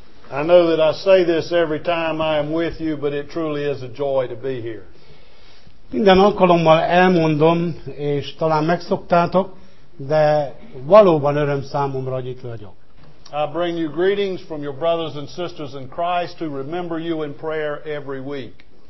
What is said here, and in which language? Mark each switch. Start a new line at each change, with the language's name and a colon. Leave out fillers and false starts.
English: I say this every time I am with you, but it truly is a joy to be here.
Hungarian: Minden alkalommal elmondom, és talán megszoktátok, De valóban öröm számomra, hogy itt vagyok.
English: I bring you greetings from your brothers and sisters in Christ who remember you in prayer every week.